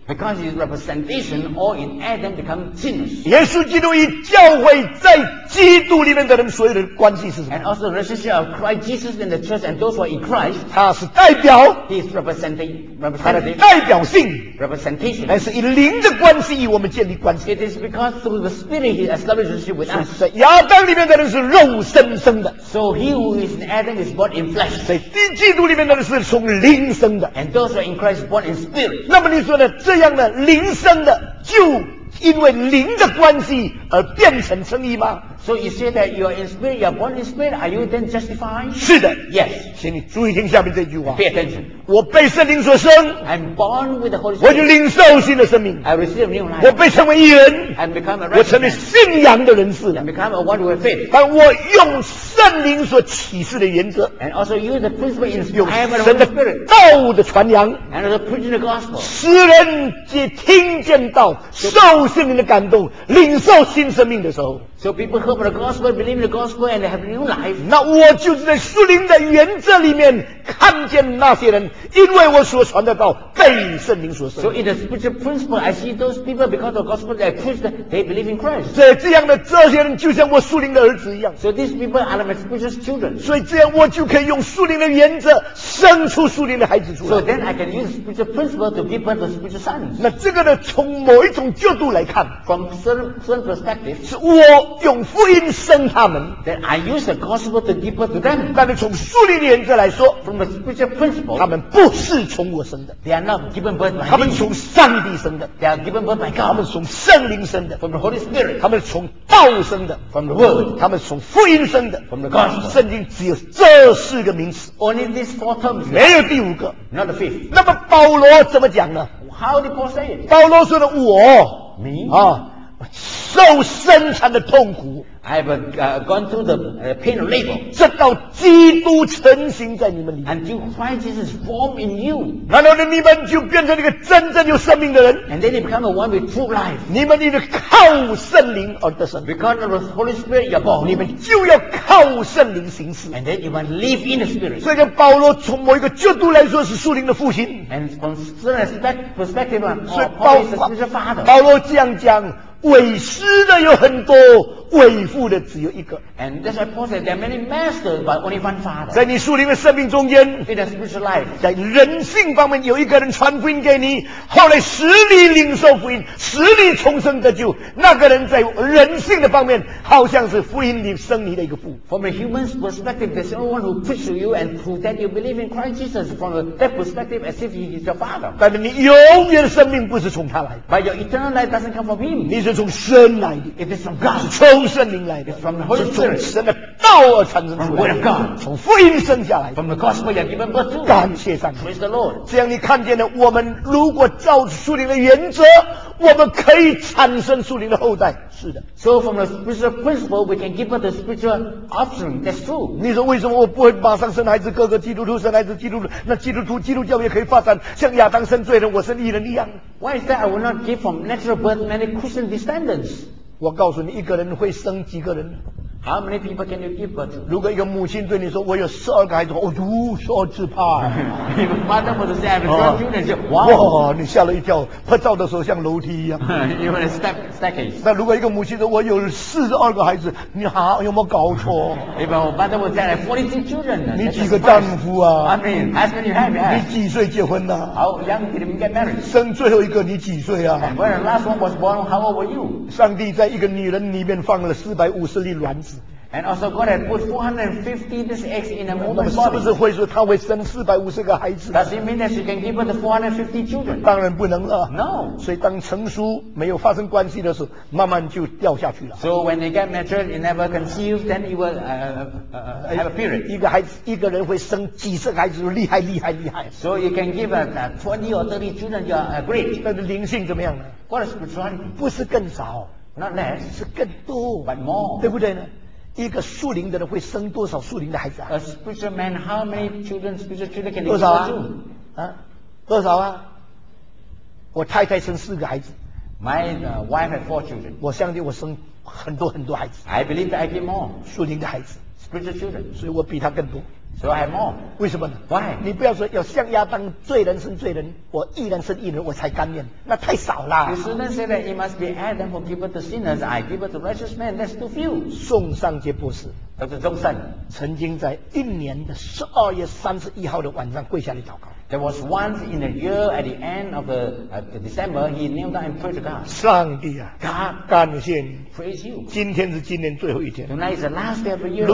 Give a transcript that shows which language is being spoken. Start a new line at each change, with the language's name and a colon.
English: Because his representation all in Adam become sinners.
Chinese: 耶稣基督与教会在基督里面的人所有的关系是什么？
English: And also the relationship of Christ Jesus in the church and those who are in Christ.
Chinese: 他是代表，
English: He is representing,
Chinese: 他的代表性，
English: representation.
Chinese: 还是以灵的关系与我们建立关系。
English: It is because through the spirit he establishes relationship with us.
Chinese: 在亚当里面的人是肉身生的。
English: So he who is in Adam is born in flesh.
Chinese: 在基督里面的人是从灵生的。
English: And those who are in Christ born in spirit.
Chinese: 那么你说呢？这样的灵生的就因为灵的关系而变成生意吗？
English: So you say that you are in spirit, you are born in spirit, are you then justified?
Chinese: 是的。
English: Yes.
Chinese: 请你注意听下面这句话。
English: Pay attention.
Chinese: 我被圣灵所生。
English: I'm born with the Holy Spirit.
Chinese: 我就领受新的生命。
English: I receive new life.
Chinese: 我被称为义人。
English: I become a righteous.
Chinese: 我成为信仰的人士。
English: I become a one with faith.
Chinese: 但我用圣灵所启示的原则。
English: And also use the principle in spirit.
Chinese: 用神的道的传扬。
English: And also preaching the gospel.
Chinese: 使人皆听见道，受圣灵的感动，领受新生命的时候。
English: So people heard about the gospel, believe in the gospel, and they have new life.
Chinese: 那我就是在属灵的原则里面看见那些人，因为我所传的道被圣灵所生。
English: So in the spiritual principle, I see those people because of the gospel they preach, they believe in Christ.
Chinese: 所以这样的这些人就像我属灵的儿子一样。
English: So these people are my spiritual children.
Chinese: 所以这样我就可以用属灵的原则生出属灵的孩子出来。
English: So then I can use spiritual principle to give birth to spiritual sons.
Chinese: 那这个呢，从某一种角度来看
English: ，from certain perspective,
Chinese: 是我。用福音生他们，
English: then I use the gospel to give birth to them.
Chinese: 但是从属灵的原则来说，
English: from a spiritual principle,
Chinese: 他们不是从我生的，
English: they are not given birth by me.
Chinese: 他们从上帝生的，
English: they are given birth by God.
Chinese: 他们从圣灵生的，
English: from the Holy Spirit.
Chinese: 他们从道生的，
English: from the Word.
Chinese: 他们从福音生的，
English: from the Gospel.
Chinese: 圣经只有这四个名词，
English: only these four terms.
Chinese: 没有第五个，
English: not the fifth.
Chinese: 那么保罗怎么讲呢？
English: How did Paul say it?
Chinese: 保罗说的我，
English: me.
Chinese: 啊。受生产的痛苦，
English: I've gone through the pain of labor.
Chinese: 直到基督成形在你们里，
English: Until Christ Jesus formed in you.
Chinese: 然后你们就变成一个真正有生命的人，
English: And then you become the one with true life.
Chinese: 你们就靠圣灵而得生，
English: Because of the Holy Spirit you're born.
Chinese: 你们就要靠圣灵行事，
English: And then you must live in the Spirit.
Chinese: 所以保罗从某一个角度来说是属灵的父亲，
English: And from certain perspective Paul, Paul is the spiritual father.
Chinese: 保罗这样讲，伟师的有很多，伟父的只有一个。
English: And that's why Paul said there are many masters, but only one father.
Chinese: 在你属灵的生命中间，
English: in a spiritual life,
Chinese: 在人性方面有一个人传福音给你，后来使你领受福音，使你重生得救。那个人在人性的方面，好像是福音里生你的一个父。
English: From a human perspective, there's only one who preach to you and prove that you believe in Christ Jesus. From that perspective, as if he is your father.
Chinese: 但是你永远的生命不是从他来的。
English: But your eternal life doesn't come from him.
Chinese: 是从神来的，
English: it is from God.
Chinese: 从从圣灵来的，是从神的道而产生出来的，从福音生下来的。感谢上帝。
English: Praise the Lord。
Chinese: 这样你看见了，我们如果照属灵的原则，我们可以产生属灵的后代。是的。
English: So from the spiritual principle, we can give up the spiritual offspring. That's true。
Chinese: 你说为什么我不会马上生孩子？哥哥基督徒生孩子，基督徒那基督徒基督教也可以发展，像亚当生罪人，我生义人一样。
English: Why is that I will not give from natural birth many Christian descendants?
Chinese: 我告诉你，一个人会生几个人
English: ？How many people can you give birth?
Chinese: 如果一个母亲对你说：“我有十二个孩子。” 哦，如数自怕。
English: If mother would say, "I have 12 children," wow.
Chinese: 哇，你吓了一跳，拍照的时候像楼梯一样。
English: You have staircase.
Chinese: 那如果一个母亲说：“我有四十二个孩子。” 你哈，有没有搞错
English: ？If mother would say, "I have 42 children."
Chinese: 你几个丈夫啊
English: ？I mean, husband you have.
Chinese: 你几岁结婚的
English: ？How young did you get married?
Chinese: 生最后一个你几岁啊
English: ？When the last one was born, how old were you?
Chinese: 上帝在一个女人里面放了450粒卵子。
English: And also God had put 450 this eggs in a woman's body.
Chinese: 是不是会说她会生450个孩子
English: ？Does it mean that she can give birth 450 children?
Chinese: 当然不能了。
English: No.
Chinese: 所以当成熟没有发生关系的时候，慢慢就掉下去了。
English: So when they get mature, they never conceive, then it will have a period.
Chinese: 一个人会生几十个孩子，厉害厉害厉害。
English: So you can give twenty or thirty children, you're great.
Chinese: 但是灵性怎么样呢
English: ？What is maturity?
Chinese: 不是更少
English: ，not less，
Chinese: 是更多
English: ，but more，
Chinese: 对不对呢？一个属灵的人会生多少属灵的孩子啊
English: ？A spiritual man, how many children, spiritual children can he produce?
Chinese: 多少啊？啊，多少啊？我太太生四个孩子。
English: My wife had four children.
Chinese: 我相信我生很多很多孩子。
English: I believe that I get more.
Chinese: 属灵的孩子。
English: Spiritual children.
Chinese: 所以我比他更多。
English: So I have more.
Chinese: 为什么呢
English: ？Why?
Chinese: 你不要说要像亚当罪人生罪人，我义人生义人，我才甘愿，那太少了。
English: You shouldn't say that it must be Adam who give birth to sinners. I give birth to righteous men. That's too few.
Chinese: 宋尚杰博士
English: ，Dr. 宋尚，
Chinese: 曾经在一年的12月31号的晚上跪下来祷告。
English: There was once in a year at the end of December, he kneeled down and prayed to God.
Chinese: 上帝啊
English: ，God，
Chinese: 感谢你
English: ，Praise you。
Chinese: 今天是今年最后一天。
English: Tonight is the last day of the year.